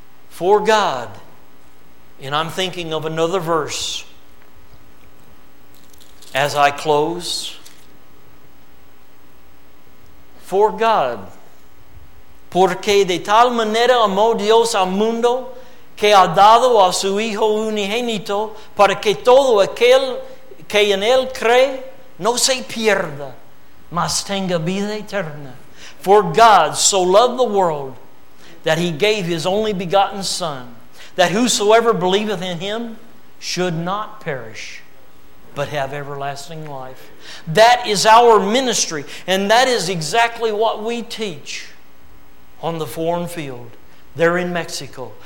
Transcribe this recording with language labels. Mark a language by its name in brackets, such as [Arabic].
[English] For God. And I'm thinking of another verse as I close. For God. [Spanish] Porque de tal manera amó Dios al mundo que ha dado a su Hijo unigénito para que todo aquel que en él cree no se pierda, mas tenga vida eterna. [English] For God so loved the world that He gave His only begotten Son, that whosoever believeth in Him should not perish, but have everlasting life. That is our ministry, and that is exactly what we teach on the foreign field there in Mexico.